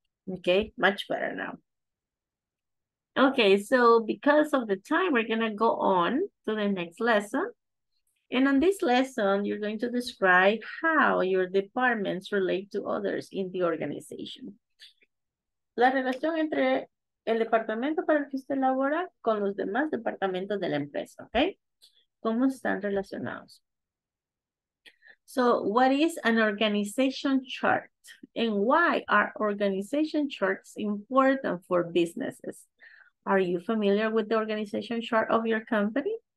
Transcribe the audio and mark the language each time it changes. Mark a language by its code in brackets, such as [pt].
[en] Okay, much better now. Okay, so because of the time, we're going to go on to the next lesson. And on this lesson, you're going to describe how your departments relate to others in the organization. [es] La relación entre el departamento para el que usted labora con los demás departamentos de la empresa, okay? ¿Cómo están relacionados? [en] So what is an organization chart and why are organization charts important for businesses? Are you familiar with the organization chart of your company?